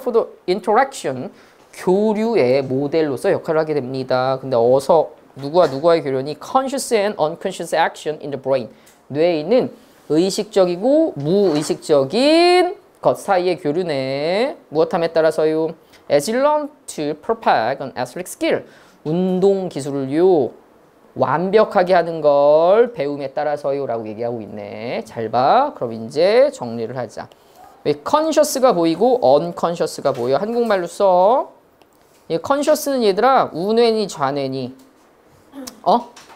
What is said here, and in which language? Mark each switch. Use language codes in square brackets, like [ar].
[en] For the interaction. [ko] 교류의 모델로서 역할을 하게 됩니다. 근데 어서 누구와 누구와의 교류니? [en] Conscious and unconscious action in the brain. [ko] 뇌에 있는 의식적이고 무의식적인 것 사이의 교류네. 무엇함에 따라서요? [en] As you learn to perfect an athletic skill. [ko] 운동 기술을요 완벽하게 하는 걸 배움에 따라서요 라고 얘기하고 있네. 잘 봐. 그럼 이제 정리를 하자. 왜 Conscious가 보이고 Unconscious가 보여? 한국말로 써. 이 Conscious는 얘들아 우뇌니 좌뇌니? 어?